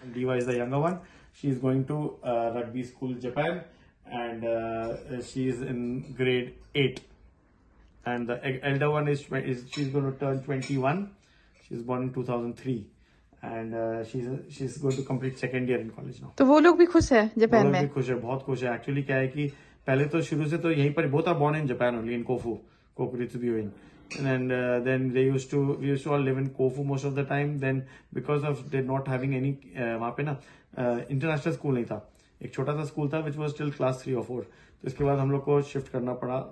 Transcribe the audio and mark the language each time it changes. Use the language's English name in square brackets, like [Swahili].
[English] Diva is the younger one, she is going to rugby school Japan and she is in grade 8 and the elder one is she is going to turn 21, she is born in 2003 and she is going to complete second year in college now. [Hindi] तो वो लोग भी खुश है Japan में? वो भी खुश है, बहुत खुश है. एक्चुअली क्या है कि पहले तो शुरू से तो यहीं पर [English] both are born in Japan only in Kofu, [Hindi] कोकुरित्सुबियोइन. [English] And then they used to, we used to all live in Kofu most of the time. Then because of they not having any, [Hindi] वहाँ पे ना [English] international school [Hindi] नहीं था, एक छोटा सा school था [English] which was still class 3 or 4. [Hindi] तो इसके बाद हम लोग को shift करना पड़ा.